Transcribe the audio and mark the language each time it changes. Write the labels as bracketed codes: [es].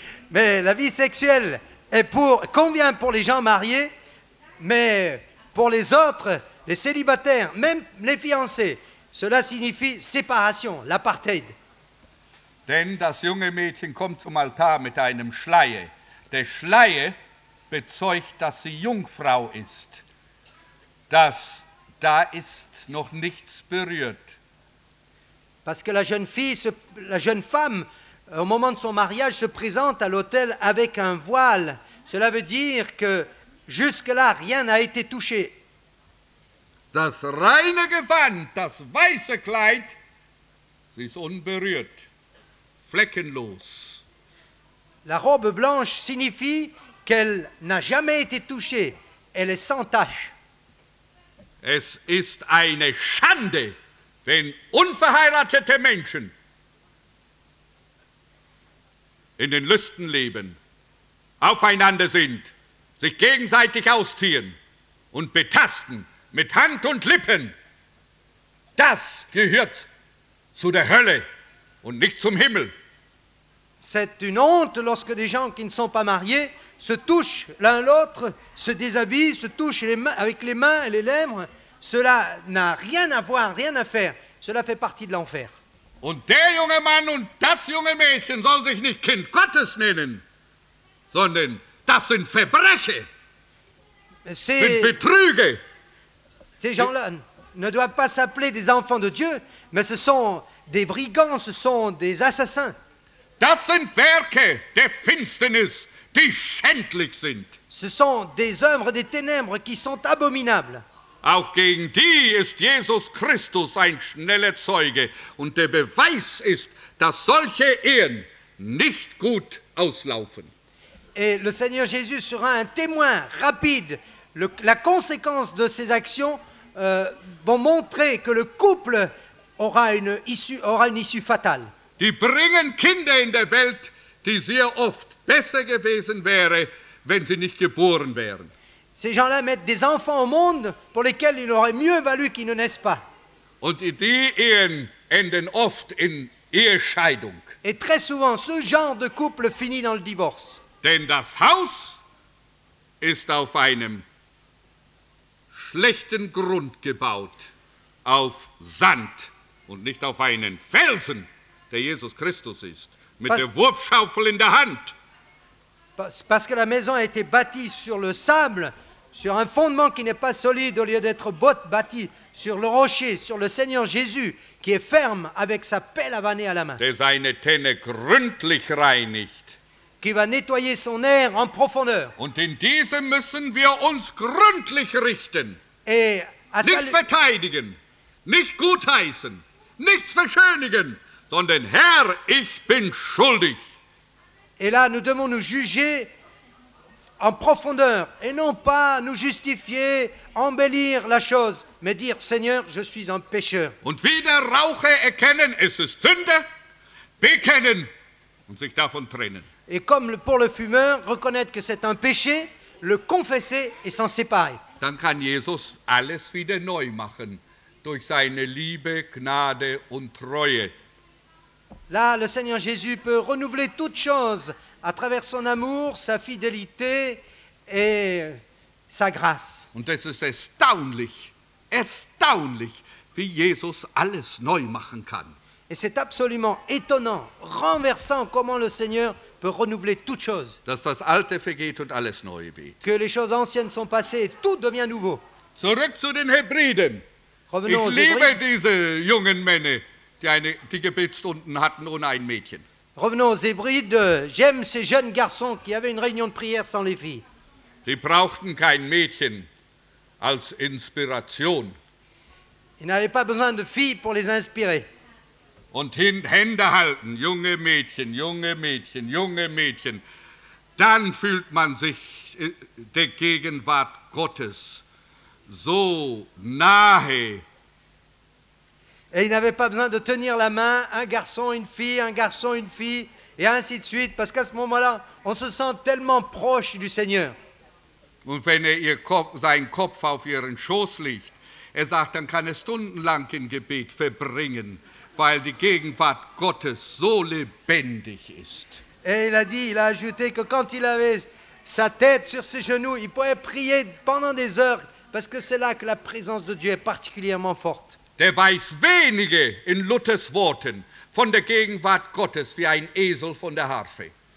[fr] Mais la vie sexuelle est pour, convient pour les gens mariés, mais pour les autres, les célibataires, même les fiancés, cela signifie séparation, l'apartheid. [de] Denn das junge Mädchen kommt zum Altar mit einem Schleier. Der Schleier bezeugt, dass sie Jungfrau ist. Da ist noch nichts berührt. [fr] Parce que la jeune femme, au moment de son mariage, se présente à l'autel avec un voile. Cela veut dire que jusque-là, rien n'a été touché. [de] Das reine Gewand, das weiße Kleid, sie ist unberührt, fleckenlos. [fr] La robe blanche signifie qu'elle n'a jamais été touchée, elle est sans tache. [de] Es ist eine Schande, wenn unverheiratete Menschen in den Lüsten leben, aufeinander sind, sich gegenseitig ausziehen und betasten mit Hand und Lippen. Das gehört zu der Hölle und nicht zum Himmel. [fr] C'est une honte lorsque des gens qui ne sont pas mariés se touchent l'un l'autre, se déshabillent, se touchent avec les mains et les lèvres. Cela n'a rien à voir, rien à faire. Cela fait partie de l'enfer. [de] Und der junge Mann und das junge Mädchen soll sich nicht Kind Gottes nennen, sondern das sind Verbrecher, sind Betrüger. [fr] Ces gens-là ne doivent pas s'appeler des enfants de Dieu, mais ce sont des brigands, ce sont des assassins. [de] Das sind Werke der Finsternis, die schändlich sind. [fr] Ce sont des œuvres des ténèbres qui sont abominables. [de] Auch gegen die ist Jesus Christus ein schneller Zeuge. Und der Beweis ist, dass solche Ehen nicht gut auslaufen. [fr] Et le Seigneur Jésus sera un témoin rapide. La conséquence de ces actions vont montrer que le couple aura une issue fatale. [de] Die bringen Kinder in der Welt, die sehr oft besser gewesen wären, wenn sie nicht geboren wären. [fr] Ces gens-là mettent des enfants au monde pour lesquels il aurait mieux valu qu'ils ne naissent pas. [de] Und die Ehen enden oft in Ehescheidung. [fr] Et très souvent, ce genre de couple finit dans le divorce. [de] Denn das Haus ist auf einem schlechten Grund gebaut, auf Sand und nicht auf einen Felsen, der Jesus Christus ist, mit der Wurfschaufel in der Hand. [fr] Parce que la maison a été bâtie sur le sable, sur un fondement qui n'est pas solide, au lieu d'être bâti sur le rocher, sur le Seigneur Jésus, qui est ferme avec sa pelle avanée à la main. [de] Der seine Tenne gründlich reinigt. [fr] Qui va nettoyer son air en profondeur. [de] Und in diesem müssen wir uns gründlich richten. [fr] Et [de] nicht verteidigen, nicht gutheißen, nichts verschönigen, sondern Herr, ich bin schuldig. [fr] Et là, nous devons nous juger en profondeur et non pas nous justifier, embellir la chose, mais dire, Seigneur, je suis un pécheur. [de] Und wieder rauche erkennen, es ist Sünde, bekennen und sich davon trennen. [fr] Et comme pour le fumeur, reconnaître que c'est un péché, le confesser et s'en séparer. [de] Dann kann Jesus alles wieder neu machen, durch seine Liebe, Gnade und Treue. [fr] Là, le Seigneur Jésus peut renouveler toute chose à travers son amour, sa fidélité et sa grâce. [de] Und es ist erstaunlich, erstaunlich, wie Jesus alles neu machen kann. [fr] Et c'est absolument étonnant, renversant, comment le Seigneur peut renouveler toute chose. [de] Dass das Alte vergeht und alles neu wird. [fr] Que les choses anciennes sont passées et tout devient nouveau. [de] Zurück zu den Hebriden. [fr] Revenons aux [de] liebe Hebriden. Diese jungen Männer. Die Gebetsstunden hatten ohne ein Mädchen. [fr] Revenons aux Hébrides. J'aime ces jeunes garçons qui avaient une réunion de prière sans les filles. [de] Die brauchten kein Mädchen als Inspiration. [fr] Ils n'avaient pas besoin de filles pour les inspirer. [de] Und Hände halten, junge Mädchen, junge Mädchen, junge Mädchen. Dann fühlt man sich der Gegenwart Gottes so nahe. [fr] Et ils n'avaient pas besoin de tenir la main, un garçon, une fille, et ainsi de suite, parce qu'à ce moment-là, on se sent tellement proche du Seigneur. [de] Und wenn sein Kopf auf ihren Schoß liegt, sagt, dann kann stundenlang im Gebet verbringen, weil die Gegenwart Gottes so lebendig ist. [fr] Et il a dit, il a ajouté que quand il avait sa tête sur ses genoux, il pouvait prier pendant des heures, parce que c'est là que la présence de Dieu est particulièrement forte. [de] Der weiß wenige in Luthers Worten von der Gegenwart Gottes wie ein Esel von der Harfe.